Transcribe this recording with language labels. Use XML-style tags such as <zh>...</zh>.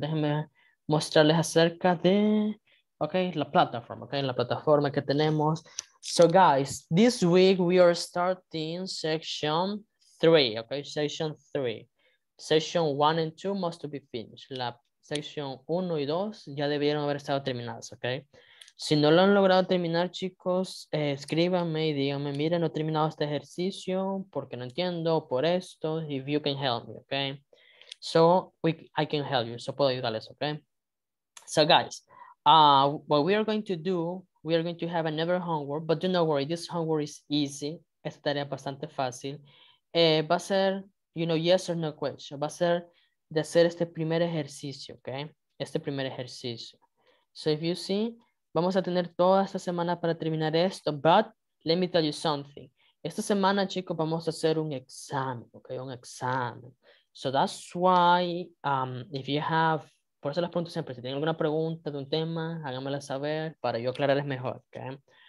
<es>Déjame mostrarles acerca de, okay, la plataforma, okay, la plataforma que tenemos.</es> <en>So, guys, this week we are starting section 3, okay, section 3. Section 1 and 2 must be finished.</en> <es>La section 1 y 2 ya debieron haber estado terminadas, okay? Si no lo han logrado terminar, chicos, escríbanme y díganme, miren, no he terminado este ejercicio porque no entiendo, por esto,</es> <en>if you can help me,</en> <es>okay?</es> <en>So, I can help you. So,</en> <es>puedo ayudarles,</es> <en>okay? So, guys, what we are going to do, we are going to have another homework, but do not worry, this homework is easy.</en> <es>Esta tarea es bastante fácil. Va a ser, you know,</es> <en>yes or no question.</en> <es>Va a ser de hacer este primer ejercicio, okay? Este primer ejercicio.</es> <en>So, if you see,</en> <es>vamos a tener toda esta semana para terminar esto,</es> <en>but let me tell you something.</en> <es>Esta semana, chicos, vamos a hacer un examen, okay? Un examen.</es> <en>So that's why, if you have,</en> <es>por eso les pregunto siempre, si tienen alguna pregunta de un tema, háganmela saber para yo aclararles mejor, okay?</es>